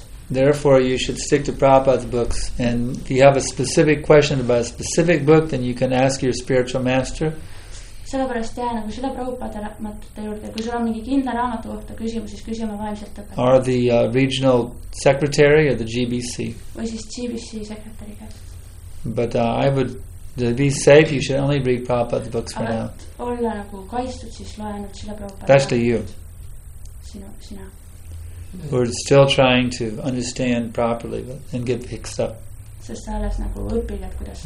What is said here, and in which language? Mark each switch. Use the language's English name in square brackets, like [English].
[English] Therefore, you should stick to Prabhupada's books. And if you have a specific question about a specific book, then you can ask your spiritual master. [Estonian] Sellepärast jää nagu seda Prabhupada raamatute juurde. Kui sul on mingi kindla raamatu kohta küsimus, siis küsime vaimselt õpetaja. [English] Or the regional secretary or the GBC. [Estonian] Või siis GBC sekretäri käest. [English] But I would be safe, you should only read Prabhupada's books for now. [Estonian] Olla nagu kaistud, siis loenud seda Prabhupada raamatut. [English] That's to you. [Estonian] Sina. [English] We're still trying to understand properly and get fixed up. [Estonian] Sest sa alles nagu õpilad, kuidas...